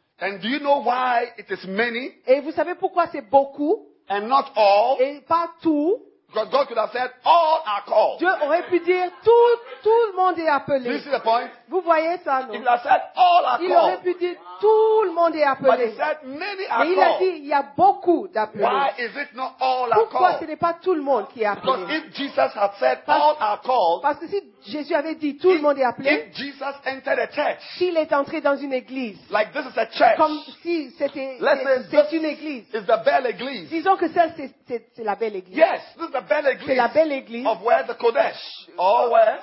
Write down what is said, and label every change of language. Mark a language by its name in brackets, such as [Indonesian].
[English] And do you know why it is many? [French] Et vous savez pourquoi c'est beaucoup? [English] And not all. [French] Et pas tout. [English] Because God could have said all are called. [French] Dieu aurait pu dire tout le monde est appelé. [English] This is the point. [French] Vous voyez ça, non? [English] He could have said all are [French] il [English] called. [French] Il aurait pu dire tout le monde est appelé. [English] But he said many are [French] mais [English] called. [French] Il a dit il y a beaucoup d'appelés. [English] Why is it not all [French] pourquoi [English] are called? [French] Pourquoi ce n'est pas tout le monde qui est appelé? [English] Because if Jesus had said all are called. [French] Parce que si Jésus avait dit tout le monde est appelé. [English] If Jesus entered a church. [French] S'il est entré dans une église. [English] Like this is a church. [French] Comme si c'était c'est une église. [English] It's the [French] belle église. Disons que celle c'est la belle église. Yes. C'est la belle église [English] of where the Kodesh or where